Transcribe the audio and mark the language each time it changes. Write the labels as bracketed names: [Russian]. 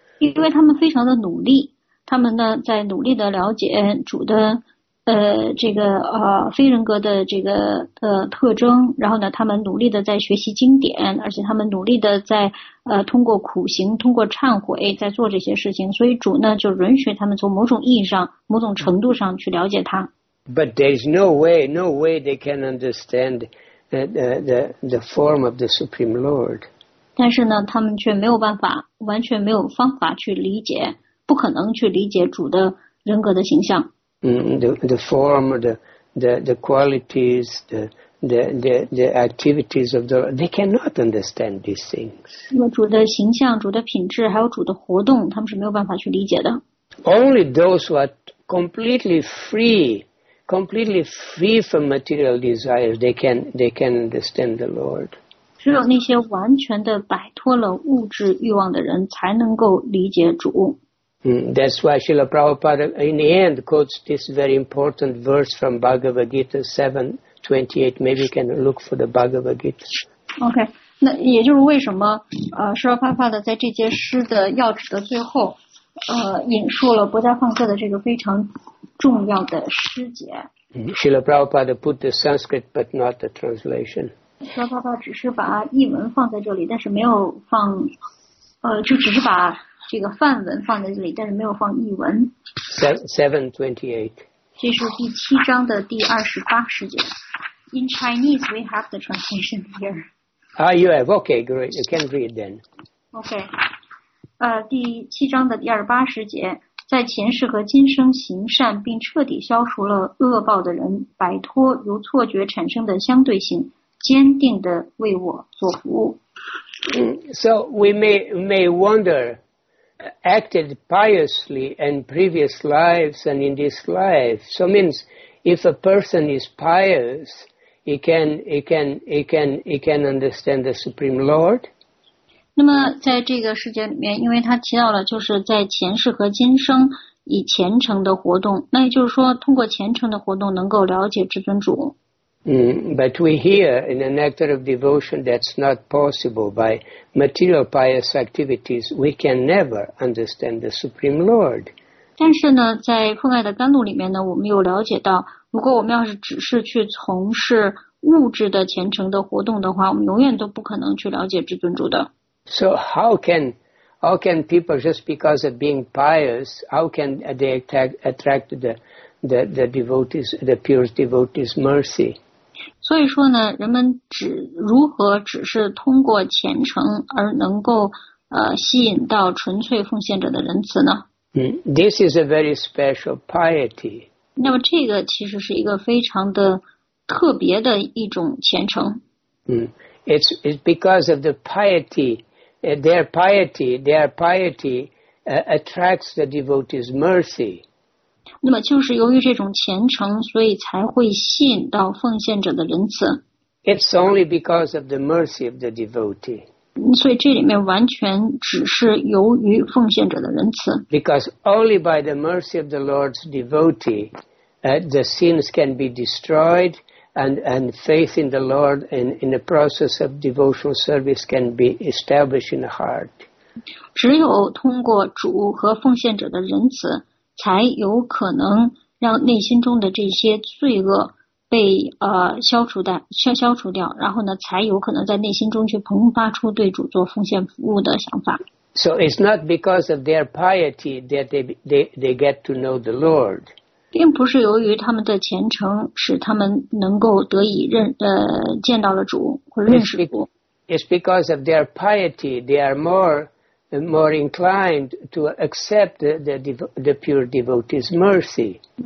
[Chinese] 因为他们非常的努力，他们呢在努力的了解主的非人格的特征，然后呢他们努力的在学习经典，而且他们努力的在通过苦行，通过忏悔在做这些事情，所以主呢就允许他们从某种意义上某种程度上去了解他。 [English] But there is no way they can understand the form of the Supreme Lord. [Chinese] 但是呢他们却没有办法，完全没有方法去理解，不可能去理解主的人格的形象。 [English] The form, the qualities, the activities of the Lord, they cannot understand these things. [Chinese] 那么主的形象、主的品质，还有主的活动，他们是没有办法去理解的。 [English] Only those who are completely free from material desires, they can understand the Lord. [Chinese] 只有那些完全的摆脱了物质欲望的人，才能够理解主。 [English] That's why Srila Prabhupada in the end quotes this very important verse from Bhagavad Gita 7:28. Maybe you can look for the Bhagavad Gita. [Chinese] Okay, 那也就是为什么Srila Prabhupada 在这节诗的要旨的最后引述了《薄伽梵歌》的这个非常重要的诗节。 [English] Srila Prabhupada put the Sanskrit but not the translation. [Chinese] Srila Prabhupada 只是把译文放在这里，但是没有放就只是把这个梵文放在这里，但是没有放译文。 [English] 7:28. [Chinese] 这是第七章的第28十节。 [English] In Chinese, we have the translation here. Ah, you have. Okay, great. You can read then. Okay. [Chinese] 第七章的第二八十节，在前世和今生行善并彻底消除了恶报的人，摆脱由错觉产生的相对性，坚定地为我做服务。 [English] So we may wonder, acted piously in previous lives and in this life. So means if a person is pious, he can understand the Supreme Lord. [Chinese] 那么在这个世界里面，因为他提到了就是在前世和今生以虔诚的活动，那也就是说通过虔诚的活动能够了解至尊主。 [English] But we hear in an act of devotion that's not possible by material pious activities, we can never understand the Supreme Lord. [Chinese] 但是呢，在奉爱的甘露里面呢，我们有了解到，如果我们要是只是去从事物质的虔诚的活动的话，我们永远都不可能去了解至尊主的。 [English] So how can people just because of being pious, how can they attract the devotees, the pure devotees' mercy? [Chinese] 所以说呢，人们如何只是通过虔诚而能够吸引到纯粹奉献者的仁慈呢？ [English] This is a very special piety. [Chinese] 那么这个其实是一个非常的特别的一种虔诚。 [English] It's because of the piety. Their piety attracts the devotees' mercy. [Chinese] 那么就是由于这种虔诚，所以才会吸引到奉献者的仁慈。 [English] It's only because of the mercy of the devotee. [Chinese] 所以这里面完全只是由于奉献者的仁慈。 [English] Because only by the mercy of the Lord's devotee, the sins can be destroyed. And faith in the Lord and in the process of devotional service can be established in the heart. [Chinese] 只有通过主和奉献者的仁慈，才有可能让内心中的这些罪恶被消除掉，然后呢，才有可能在内心中去迸发出对主做奉献服务的想法。 [English] So it's not because of their piety that they get to know the Lord. [Chinese] 并不是由于他们的虔诚使他们能够得以见到了主或认识主。 [English] It's because of their piety they are more inclined to accept the pure devotee's mercy.